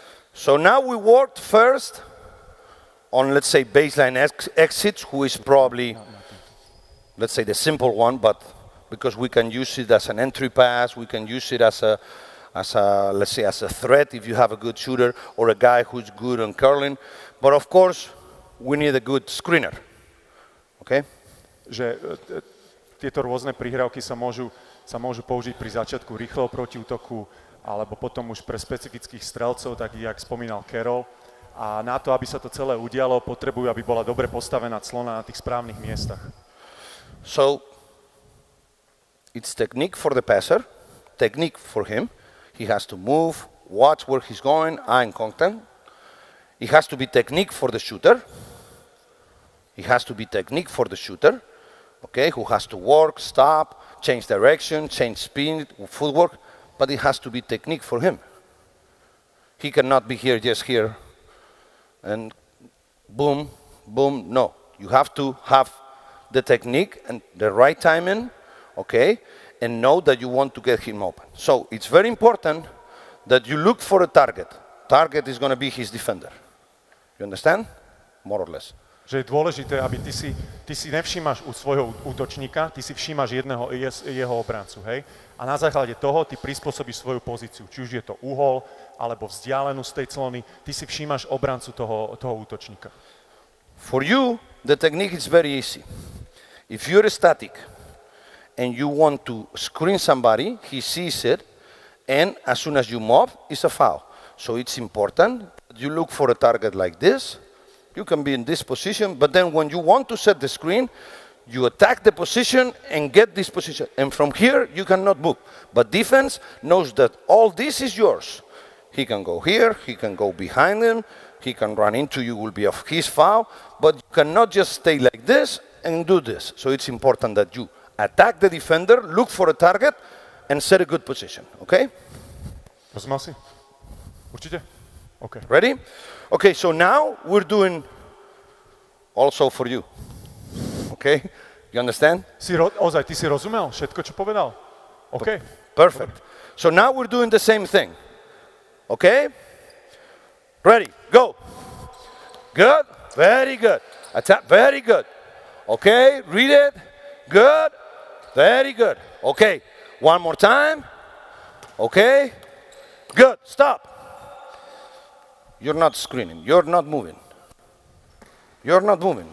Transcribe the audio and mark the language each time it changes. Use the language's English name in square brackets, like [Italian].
[English] So now we worked first on, let's say, baseline exits, who is probably, let's say, the simple one, but because we can use it as an entry pass, we can use it as a threat if you have a good shooter or a guy who's good on curling. But of course, we need a good screener. Okay? [Slovak] Že tieto rôzne prihrávky sa môžu použiť pri začiatku rýchleho protiútoku alebo potom už pre specifických strelcov, tak jak spomínal Carol. A na to, aby sa to celé udialo, potrebujú, aby bola dobre postavená clona na tých správnych miestach. [English] So, it's technique for the passer, technique for him. He has to move, watch where he's going, eye and contact. It has to be technique for the shooter. It has to be technique for the shooter, okay, who has to work, stop, change direction, change spin, footwork, but it has to be technique for him. He cannot be here, just here, and boom, boom, no. You have to have the technique and the right timing, okay, and know that you want to get him open. So it's very important that you look for a target. Target is going to be his defender. You understand? More or less. [Slovak] Že je dôležité, aby ty si nevšímaš u svojho útočníka, ty si všímaš jedného jeho obrancu, hej? A na základe toho ty prispôsobíš svoju pozíciu, či už je to uhol, alebo vzdialenosť tej clony, ty si všímaš obrancu toho útočníka. [English] For you, the technique is very easy. If you're static and you want to screen somebody, he sees it, and as soon as you move, it's a foul. So it's important that you look for a target like this. You can be in this position, but then when you want to set the screen, you attack the position and get this position. And from here, you cannot move. But defense knows that all this is yours. He can go here, he can go behind him, he can run into you, will be of his foul, but you cannot just stay like this and do this. So it's important that you attack the defender, look for a target, and set a good position, okay? [Slovak] Rozumel si? Určite? Okay. [English] Ready? Okay, so now we're doing also for you. Okay? You understand? [Slovak] Ozaj, ty si rozumel všetko, čo povedal? [English] Okay. Perfect. So now we're doing the same thing. Okay? Ready? Go. Good. Very good. Attack. Very good. Okay? Read it. Good. Very good. Okay. One more time. Okay? Good. Stop. You're not screening. You're not moving. You're not moving.